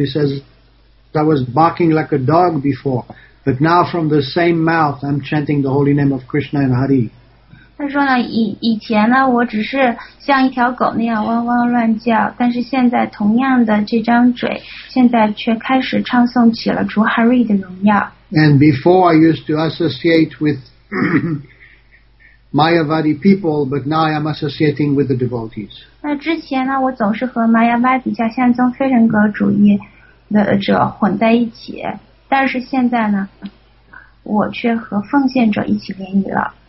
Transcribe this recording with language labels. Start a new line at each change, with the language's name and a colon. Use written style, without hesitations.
English: He says, I was barking like a dog before, but now from the same mouth I'm chanting the holy name of Krishna and Hari.
Chinese: 他说呢，以前呢，我只是像一条狗那样汪汪乱叫，但是现在同样的这张嘴，现在却开始唱诵起了主哈瑞的荣耀。
English: And before I used to associate with Mayavadi people, but now I am associating with the devotees.
Chinese: 那之前呢，我总是和 Mayavadi 下现宗非人格主义的者混在一起，但是现在呢，我却和奉献者一起联谊了。